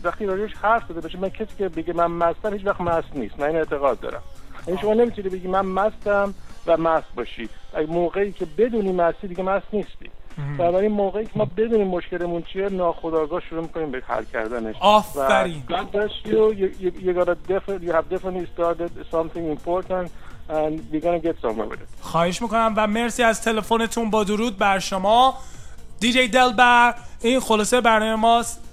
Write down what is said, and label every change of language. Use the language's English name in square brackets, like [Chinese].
[Persian] وقتی راجبش حرف بزنه بشه، من کسی که بگه من مستم هیچ وقت مست نیست، من این اعتقاد دارم. این شما نمیتونی بگی من مستم و مست باشی. موقعی که بدونی مستی دیگه مست نیستی. برای موقعی که ما بدونیم مشکلمون چیه، ناخودآگاه شروع میکنیم به حل کردنش. آفرین. [English] God bless you. You have definitely started something important and we're gonna get somewhere with it. [Persian] خواهش میکنم و مرسی از تلفنتون. با درود بر شما دی جی دلبر، این خلاصه برنامه ماست.